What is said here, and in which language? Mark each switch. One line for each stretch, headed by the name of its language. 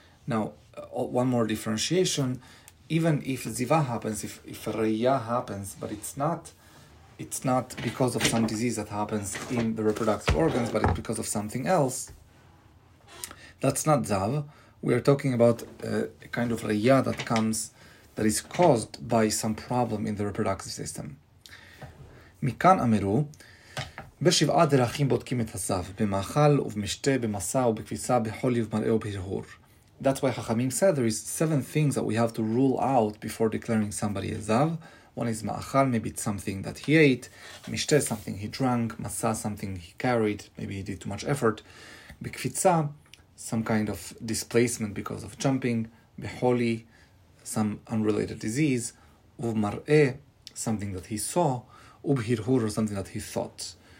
English: Now, one more differentiation: even if ziva happens, if reiya happens, but it's not because of some disease that happens in the reproductive organs, but it's because of something else. That's not zav. We are talking about a kind of reiya that comes, that is caused by some problem in the reproductive system.
Hebrew: Mikan amiru. בשבעה דרכים בודקים את הזב: במאכל ובמשתה, במסע ובקפיצה, בחולי ובמראה ובהרהור.
English: That's why Chachamim said there is seven things that we have to rule out before declaring somebody a zav. One is ma'achal, maybe it's something that he ate, mishteh, something he drank, masa, something he carried, maybe he did too much effort, bikvitza, some kind of displacement because of jumping, beholi, some unrelated disease, uvmar'eh, something that he saw, ubhirhur, or something that he thought.